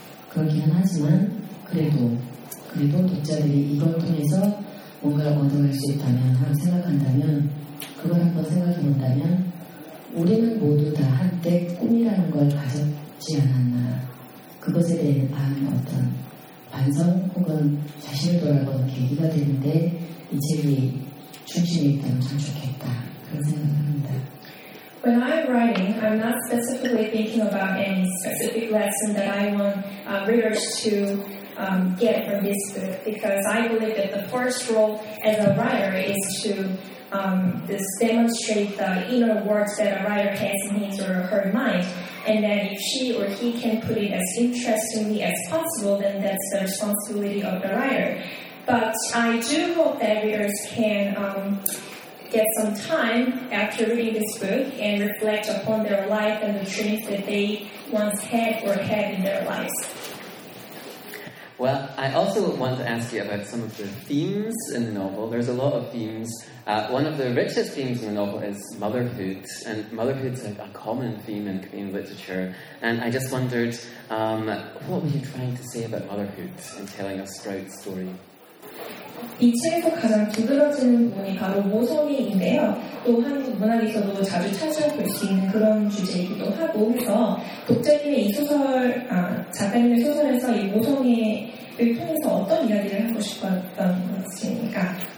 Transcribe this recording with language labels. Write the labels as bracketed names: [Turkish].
[Korean] 그렇기는 하지만 그래도 독자들이 이걸 통해서 뭔가를 얻어낼 수 있다면 하고 생각한다면 그걸 한번 생각해 본다면 우리는 모두 다 한때 꿈이라는 걸 가졌지 않았나 그것에 대한 마음의 어떤 반성 혹은 자신을 돌아보는 계기가 되는데 이 책이 중심이 있다면 참 좋겠다 그런 생각을 합니다. [English] When I'm writing, I'm not specifically thinking about any specific lesson that I want readers to get from this book because I believe that the first role as a writer is to this demonstrate the inner works that a writer has in his or her mind, and that if she or he can put it as interestingly as possible, then that's the responsibility of the writer. But I do hope that readers can get some time after reading this book and reflect upon their life and the dreams that they once had or had in their lives. Well, I also want to ask you about some of the themes in the novel. There's a lot of themes. One of the richest themes in the novel is motherhood, and motherhood's a common theme in Korean literature. And I just wondered, what were you trying to say about motherhood in telling a Sprout story? [Korean] 이 책에서 가장 두드러지는 부분이 바로 모성애인데요. 또 한국 문학에서도 자주 찾아볼 수 있는 그런 주제이기도 하고 그래서 독자님의 이 소설, 작가님의 소설에서 이 모성애를 통해서 어떤 이야기를 하고 싶었던 것입니까?